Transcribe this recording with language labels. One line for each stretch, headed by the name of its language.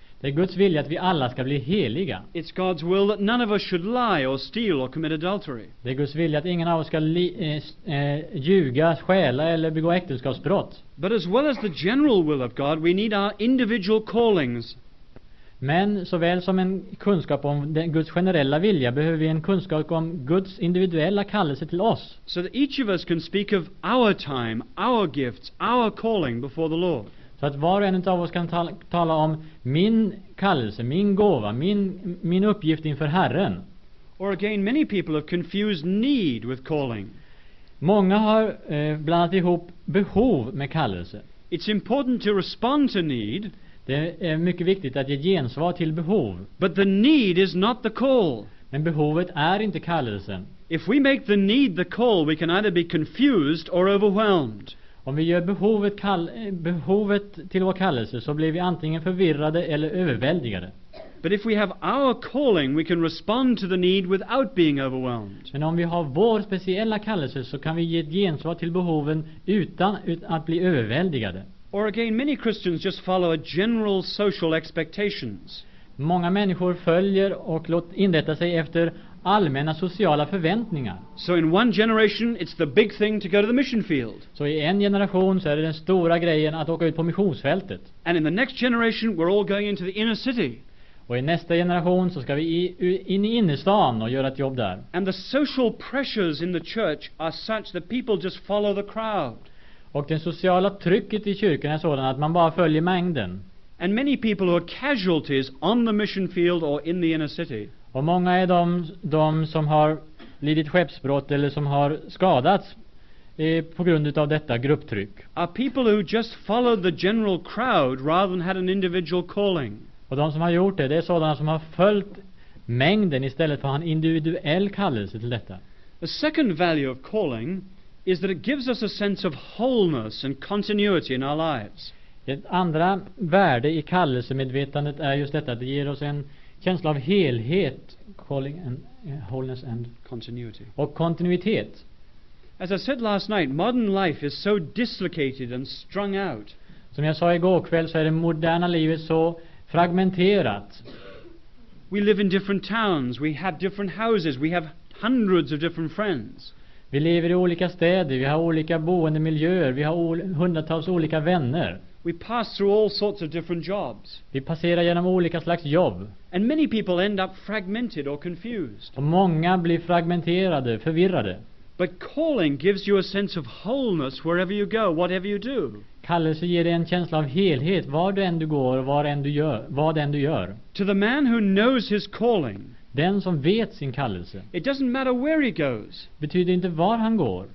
Swedish: Det är Guds vilja att vi alla ska bli heliga.
English: It's God's will that none of us should lie or steal or commit adultery.
Swedish: Det är Guds vilja att ingen av oss ska ljuga, stjäla eller begå äktenskapsbrott.
English: But as well as the general will of God, we need our individual callings.
Swedish: Men såväl som en kunskap om den Guds generella vilja behöver vi en kunskap om Guds individuella kallelse till oss.
English: So that each of us can speak of our time, our gifts, our calling before the Lord.
Swedish: Så att var och en av oss kan tala om min kallelse, min gåva, min uppgift inför Herren.
English: Or again, many people have confused need with calling.
Swedish: Många har blandat ihop behov med kallelse.
English: It's important to respond to need.
Swedish: Det är mycket viktigt att ge gensvar till behov.
English: But the need is not the call.
Swedish: Men behovet är inte kallelsen.
English: If we make the need the call, we can either be confused or overwhelmed.
Swedish: Om vi gör behovet till vår kallelse så blir vi antingen förvirrade eller överväldigade.
English: But if we have our calling, we can respond to the need without being overwhelmed.
Swedish: Men om vi har vår speciella kallelse så kan vi ge ett gensvar till behoven utan att bli överväldigade.
English: Or again, many Christians just follow a general social expectations.
Swedish: Många människor följer och låter inrätta sig efter allmänna sociala förväntningar.
English: So in one generation it's the big thing to go to the mission field.
Swedish: Så i en generation så är det den stora grejen att åka ut på missionsfältet.
English: And in the next generation we're all going into the inner city.
Swedish: Och i nästa generation så ska vi in i innerstan och göra ett jobb där.
English: And the social pressures in the church are such that people just follow the crowd.
Swedish: Och det sociala trycket i kyrkan är sådant att man bara följer mängden.
English: And many people who are casualties on the mission field or in the inner city.
Swedish: Och många är de som har lidit skeppsbrott eller som har skadats på grund av detta grupptryck.
English: Are people who just followed the general crowd rather than had an individual calling.
Swedish: Och de som har gjort det är sådana som har följt mängden istället för att ha en individuell kallelse till detta.
English: The second value of calling is that it gives us a sense of wholeness and continuity in our lives.
Swedish: Ett andra värde i kallelsemedvetandet är just detta, det ger oss en känsla av helhet,
English: calling and wholeness and continuity.
Swedish: Och kontinuitet.
English: As I said last night, modern life is so dislocated and strung out.
Swedish: Som jag sa igår kväll så är det moderna livet så fragmenterat.
English: We live in different towns, we have different houses, we have hundreds of different friends.
Swedish: Vi lever i olika städer, vi har olika boendemiljöer, vi har hundratals olika vänner.
English: We pass through all sorts of different jobs.
Swedish: Vi passerar genom olika slags jobb.
English: And many people end up fragmented or confused.
Swedish: Och många blir fragmenterade, förvirrade.
English: But calling gives you a sense of wholeness wherever you go, whatever you do.
Swedish: Kallelse ger dig en känsla av helhet var du än du går och vad än du gör.
English: To the man who knows his calling.
Swedish: Den som vet sin kallelse.
English: It doesn't matter where he goes.
Swedish: Betyder inte var han går.